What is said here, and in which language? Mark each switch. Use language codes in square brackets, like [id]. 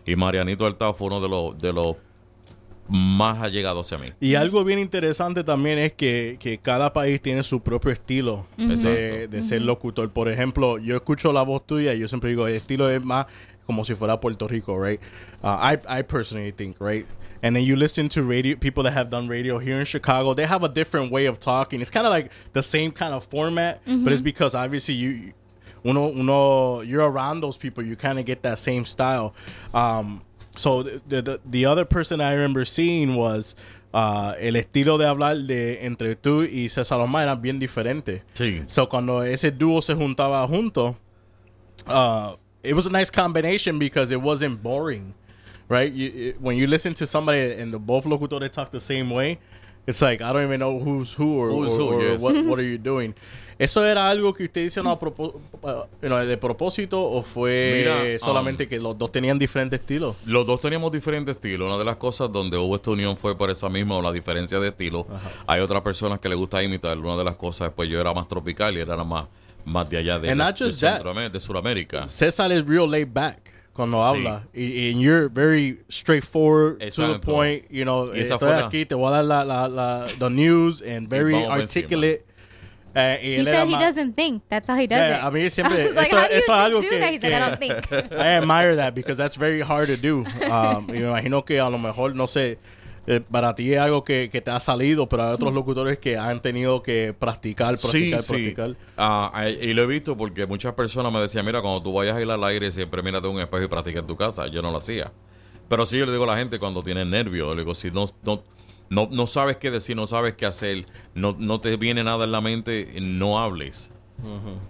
[es] Y Marianito Altao fue uno de los más ha llegado hacia mí. Y algo bien interesante también es que cada país tiene su propio estilo de ser locutor. Por ejemplo, yo escucho la voz tuya y yo siempre digo, el estilo es más como si fuera Puerto Rico, [en] right? I personally think, right? And then you listen to radio, people that have done radio here in Chicago, they have a different way of talking. It's kind of like the same kind of format, but it's because obviously you you're around those people, you kind of get that same style. So the other person I remember seeing was [es] el estilo de hablar de entre tú y César Omar era bien diferente. Sí. [en] So [es] cuando ese dúo se juntaba junto, [en] it was a nice combination because it wasn't boring, right? When you listen to somebody and the both locutores talk the same way, it's like I don't even know who's who. what are you doing? [es] ¿Eso era algo que usted hizo de propósito o fue solamente que los dos tenían diferentes estilos? Los dos teníamos diferentes estilos. Una de las cosas donde hubo esta unión fue por esa misma, la diferencia de estilo. Ajá. Hay otras personas que le gusta imitar. Una de las cosas, pues yo era más tropical y era más de allá de Sudamérica. [en] César es real laid back [es] cuando habla. [en] And you're very straightforward, to the point. You know, [es] estoy aquí, te voy a dar [en] the news and very articulate. [es] Encima. [en] He doesn't think. That's how he does it. I mean, [es] siempre, [en] I was like, how do you do that? He's like, I don't think. I admire that because that's very hard to do. [es] Me imagino que a lo mejor, no sé, Para ti es algo que te ha salido, pero hay otros locutores que han tenido que practicar. Y lo he visto porque muchas personas me decían, mira, cuando tú vayas a ir al aire, siempre mírate un espejo y practica en tu casa. Yo no lo hacía. Pero sí, yo le digo a la gente cuando tienes nervios, le digo, si no sabes qué decir, no sabes qué hacer, no te viene nada en la mente, no hables. Uh-huh.